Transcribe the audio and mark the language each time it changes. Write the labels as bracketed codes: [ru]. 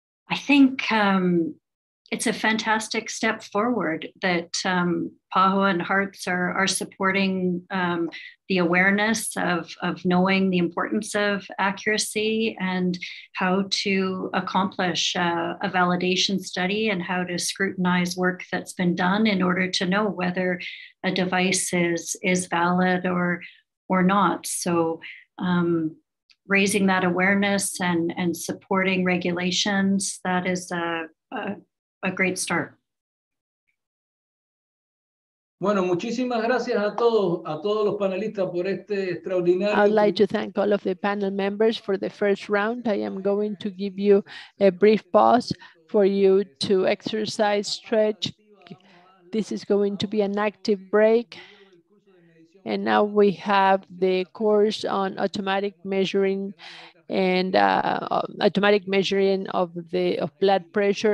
[en] I think it's a fantastic step forward that PAHO and HEARTS are supporting the awareness of knowing the importance of accuracy and how to accomplish a validation study and how to scrutinize work that's been done in order to know whether a device is valid or not. So raising that awareness and supporting regulations, that is a great start. [es] Bueno, muchísimas gracias a todos los panelistas por este extraordinario. [en] I'd like to thank all of the panel members for the first round. I am going to give you a brief pause for you to exercise, stretch. This is going to be an active break. And now we have the course on automatic measuring and automatic measuring of blood pressure.